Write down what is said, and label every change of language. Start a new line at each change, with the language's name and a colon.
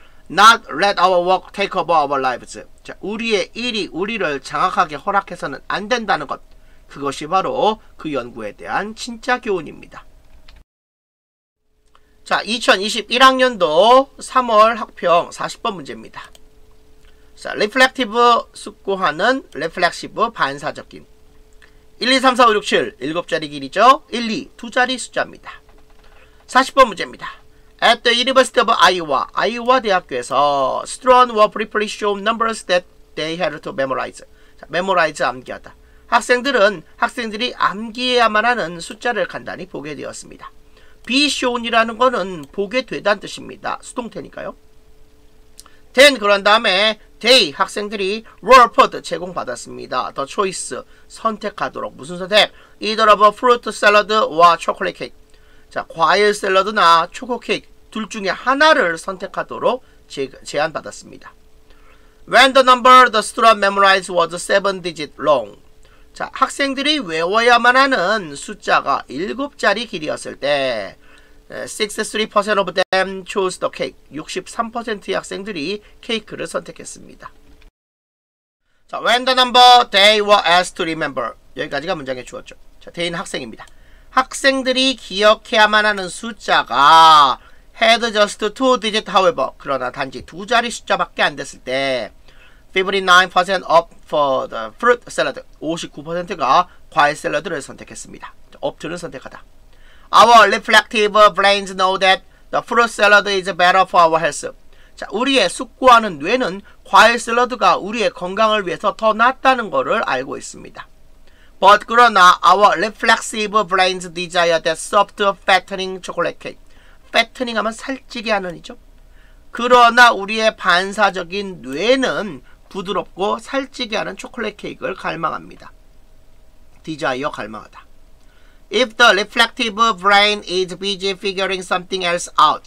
English: Not let our work take over our lives.
Korean: 자, 우리의 일이 우리를 장악하게 허락해서는 안 된다는 것. 그것이 바로 그 연구에 대한 진짜 교훈입니다. 자, 2021학년도 3월 학평 40번 문제입니다. 자, reflective 숙고하는 reflexive 반사적인. 1, 2, 3, 4, 5, 6, 7, 7자리 길이죠. 1, 2, 2자리 숫자입니다. 40번 문제입니다.
English: At the University of Iowa,
Korean: 아이오와 대학교에서
English: students were prepared to show numbers that they had to memorize.
Korean: 자, memorize, 암기하다. 학생들이 암기해야만 하는 숫자를 간단히 보게 되었습니다. be shown이라는 거는 보게 되다는 뜻입니다. 수동태니까요. then 그런 다음에 they, 학생들이
English: were offered,
Korean: 제공받았습니다.
English: the choice,
Korean: 선택하도록. 무슨 선택?
English: either of a fruit salad or chocolate cake.
Korean: 자, 과일 샐러드나 초코 케이크 둘 중에 하나를 선택하도록 제안받았습니다.
English: When the number the student memorized was seven digit long.
Korean: 자, 학생들이 외워야만 하는 숫자가 7자리 길이었을 때
English: 63% of them chose the cake.
Korean: 63%의 학생들이 케이크를 선택했습니다.
English: 자, when the number they were asked to remember.
Korean: 여기까지가 문장의 주었죠. 자, they는 학생입니다. 학생들이 기억해야만 하는 숫자가
English: had just two digits, however.
Korean: 그러나 단지 두 자리 숫자밖에 안 됐을 때
English: 59% up for the fruit salad.
Korean: 59%가 과일 샐러드를 선택했습니다. up는 선택하다.
English: Our reflective brains know that the fruit salad is better for our health.
Korean: 자, 우리의 숙고하는 뇌는 과일 샐러드가 우리의 건강을 위해서 더 낫다는 것을 알고 있습니다.
English: But
Korean: 그러나
English: our reflexive brains desire that soft fattening chocolate cake.
Korean: fattening 하면 살찌게 하는이죠. 그러나 우리의 반사적인 뇌는 부드럽고 살찌게 하는 초콜릿 케이크를 갈망합니다. desire 갈망하다.
English: If the reflective brain is busy figuring something else out.